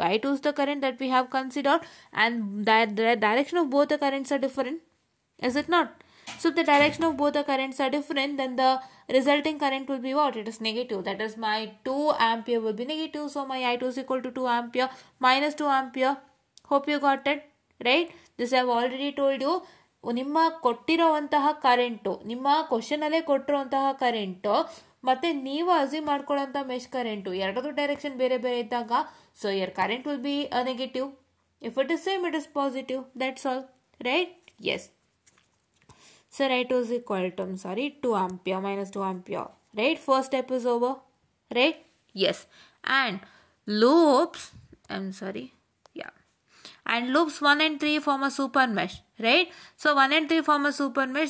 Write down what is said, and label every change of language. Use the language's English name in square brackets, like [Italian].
[English] I2 is the current that we have considered, and the direction of both the currents are different, is it not? So if the direction of both the currents are different, then the resulting current will be what? It is negative. That is, my 2 ampere will be negative. So my I2 is equal to 2 ampere minus 2 ampere. Hope you got it, right? This I have already told you. [Kannada] ನಿಮ್ಮ ಕೊಟ್ಟಿರೋವಂತಹ current, ನಿಮ್ಮ question ಅಲ್ಲೇ ಕೊಟ್ಟಿರುವಂತಹ current, ಮತ್ತೆ ನೀವು assume ಮಾಡ್ಕೊಳ್ಳೋಂತ mesh current, ಎರಡದು direction ಬೇರೆ ಬೇರೆ ಇದ್ದಾಗ, [English] So your current will be a negative. If it is same, it is positive, that's all, right? Yes. So write was equal to, I'm sorry, 2 ampere minus 2 ampere. Right? First step is over. Right? Yes. And loops, I'm sorry. And loops 1 and 3 form a super mesh, right? So 1 and 3 form a super mesh.